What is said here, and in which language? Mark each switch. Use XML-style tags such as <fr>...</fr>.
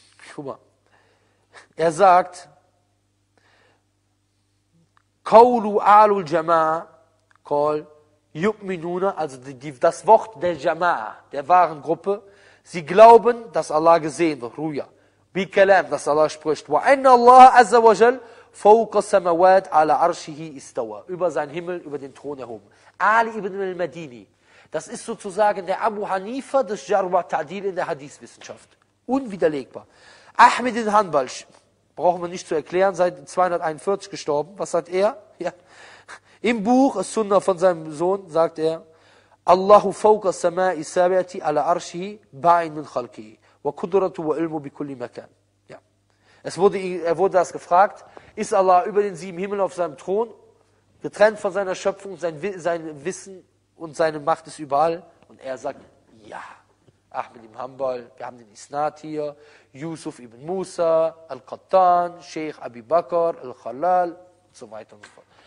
<de>schau mal, er sagt,</de> <ar>Qawlu alul jama'a, qal, yu'minuna,</ar> <de>also das Wort der Jama'a, der wahren Gruppe, sie glauben, dass Allah gesehen wird, Ruya, bi kalam, dass Allah spricht,</de> <ar>wa anna Allah azza wa jal, فوق السماوات على عرشه استوى,</ar> <de>über seinen Himmel, über den Thron erhoben. Ali ibn al-Madini, das ist sozusagen der Abu Hanifa des Jarwa Ta'dil in der Hadith-Wissenschaft. Unwiderlegbar. Ahmed ibn Hanbal, brauchen wir nicht zu erklären, seit 241 gestorben. Was sagt er? Ja. Im Buch, Sunnah von seinem Sohn, sagt er,</de> <ar>Allahu فوق السماء السابعتي على عرشه باين من خلقه وقدرته وعلمه بكل مكان.</ar> <de>Ja. Er wurde das gefragt, ist Allah über den sieben Himmel auf seinem Thron, getrennt von seiner Schöpfung, sein Wissen und seine Macht ist überall. Und er sagt, ja, Ahmed ibn Hanbal, wir haben den Isnad hier, Yusuf ibn Musa, Al-Qattan, Sheikh Abi Bakr, Al-Khalal, und so weiter und so fort.</de>